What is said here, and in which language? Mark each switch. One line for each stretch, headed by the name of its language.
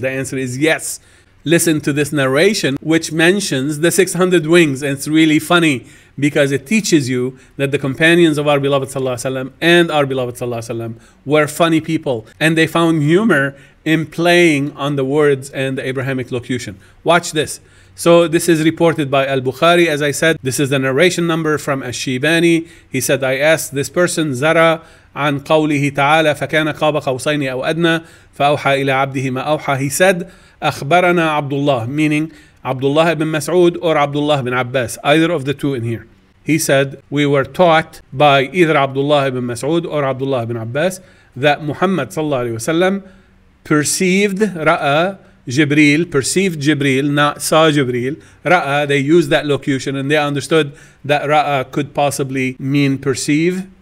English: The answer is yes. Listen to this narration, which mentions the 600 wings, and it's really funny because it teaches you that the companions of our beloved Sallallahu Alaihi Wasallam and our beloved Sallallahu Alaihi Wasallam were funny people, and they found humor in playing on the words and the Abrahamic locution. Watch this. So this is reported by Al-Bukhari, as I said. This is the narration number from Ash-Shibani. He said, I asked this person, Zara,
Arabic: عن قوله تعالى فكان قاب قوسين أو أدنى فأوحى إلى عبده ما أوحى.
English: He said,
Arabic: أخبرنا عبد الله,
English: meaning عبد الله بن مسعود or عبد الله بن عباس, either of the two in here. He said, we were taught by either عبد الله بن مسعود or عبد الله بن عباس that Muhammad صلى الله عليه وسلم perceived, رأى جبريل, perceived جبريل, not saw جبريل, رأى, they used that locution and they understood that رأى could possibly mean perceive.